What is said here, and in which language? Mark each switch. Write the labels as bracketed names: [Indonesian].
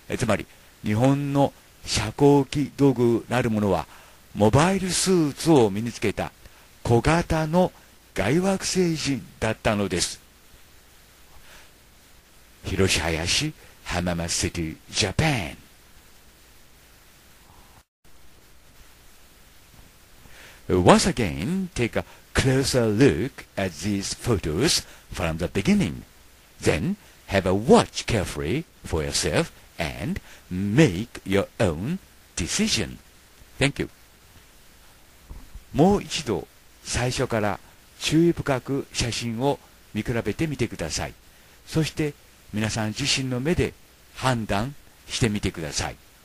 [Japanese] つまり日本の遮光器土偶なるものはモバイルスーツを身につけた小型の外惑星人だったのです。広志林、浜松シティ、ジャパン。 [English] Once again, take a closer look at these photos from the beginning. Then, have a watch carefully for yourself and make your own decision. Thank you. [Japanese] もう一度最初から注意深く写真を見比べてみてください。そして皆さん自身の目で判断してみてください。